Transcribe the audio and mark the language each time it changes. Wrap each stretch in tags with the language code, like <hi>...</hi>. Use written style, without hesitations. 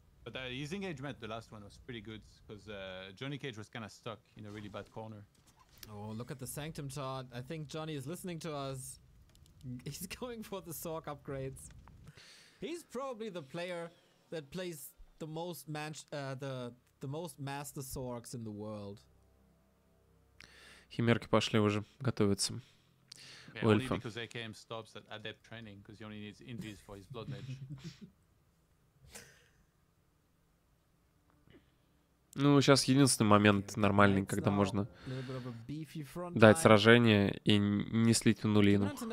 <en>But his engagement, the last one, was pretty good because Johnny Cage was kind of stuck in a really bad corner. Oh, look at the Sanctum Chart. I think Johnny is listening to us. He's going for the Sorc upgrades. He's probably the player that plays the most most Master Sorcs in the world.</en> <ru>Химерки пошли уже, готовятся.</ru> <en>Yeah, only because AKM stops at Adept Training, because he only needs Invis for his Blood Mage.</en> <ru>Ну, сейчас единственный момент нормальный, когда можно дать сражение и не слить в нулину.</ru>